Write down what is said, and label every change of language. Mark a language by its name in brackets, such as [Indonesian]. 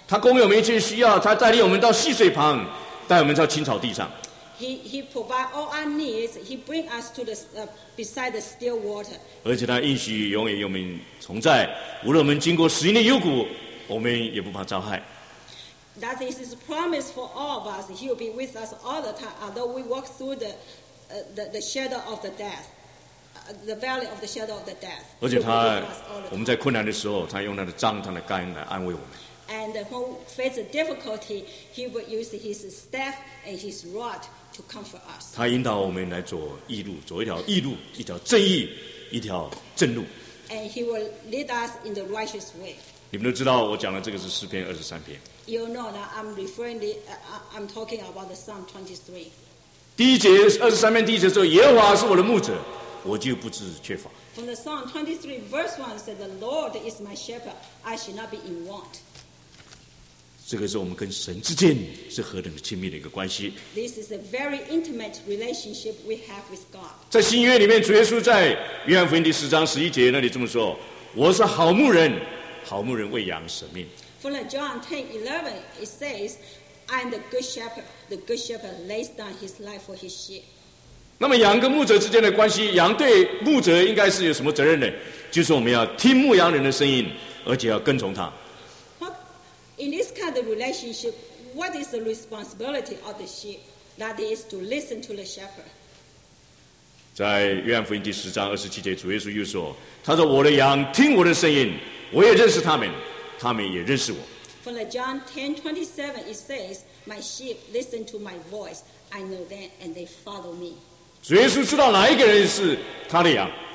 [Chinese] 他供应我们一切需要，他带领我们到溪水旁，带我们到青草地上。 [English] He provide all our needs. He bring us to the beside the still water. [Chinese] 而且他应许永远与我们同在，无论我们经过死荫的幽谷，我们也不怕遭害。 [English] That is his promise for all of us. He will be with us all the time, although we walk through the shadow of the death, the valley of the shadow of the death. [Chinese] 而且他，我们在困难的时候，他用他的杖、他的竿来安慰我们。 [English] And when face a difficulty, he will use his staff and his rod to comfort us. [Chinese] 他引导我们来走义路，走一条义路，一条正义，一条正路。 [English] And he will lead us in the righteous way. [Chinese] 你们都知道，我讲的这个是23篇。 [English] You know that I'm talking about the Psalm 23. [Chinese] 第一节23篇第一节说：“耶和华是我的牧者，我就不致缺乏。” [English] From the Psalm 23, verse 1 said, "The Lord is my shepherd; I shall not be in want." [Chinese] 这个是我们跟神之间是何等的亲密的一个关系。 [English] This is a very intimate relationship we have with God. [Chinese] 在新约里面，主耶稣在约翰福音第10章11节那里这么说：“我是好牧人，好牧人为羊舍命。” [English] From John 10:11, it says, "I am the good shepherd. The good shepherd lays down his life for his sheep." [Chinese] 那么羊跟牧者之间的关系，羊对牧者应该是有什么责任呢？就是我们要听牧羊人的声音，而且要跟从他。 [English] What in this kind of relationship, what is the responsibility of the sheep? That is to listen to the shepherd. [Chinese] 在约翰福音第10章27节，主耶稣又说：“他说，我的羊听我的声音，我也认识他们。”他们也认识我。 [English] From the John 10:27, it says, "My sheep listen to my voice; I know them, and they follow me." [Chinese] 主耶稣知道哪一个人是他的羊。